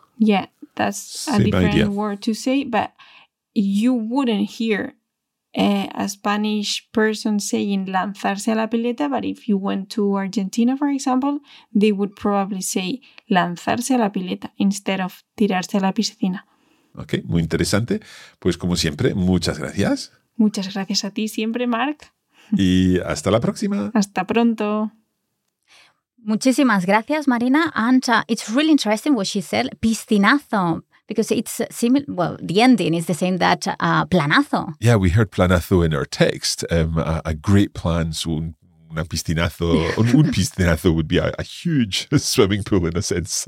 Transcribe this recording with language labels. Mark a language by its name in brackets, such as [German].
[English] Yeah, that's a different word to say, but you wouldn't hear a Spanish person saying [Spanish] lanzarse a la pileta, [English] but if you went to Argentina, for example, they would probably say lanzarse a la pileta instead of [Spanish] tirarse a la piscina. Okay, muy interesante. Pues como siempre, muchas gracias. Muchas gracias a ti siempre, Mark. Y hasta la próxima. Hasta pronto. Muchísimas gracias, Marina. [English] And it's really interesting what she said, piscinazo, because it's similar. Well, the ending is the same that planazo. Yeah, we heard planazo in our text. A great plan, so [Spanish] una piscinazo, un piscinazo [English] would be a huge swimming pool in a sense.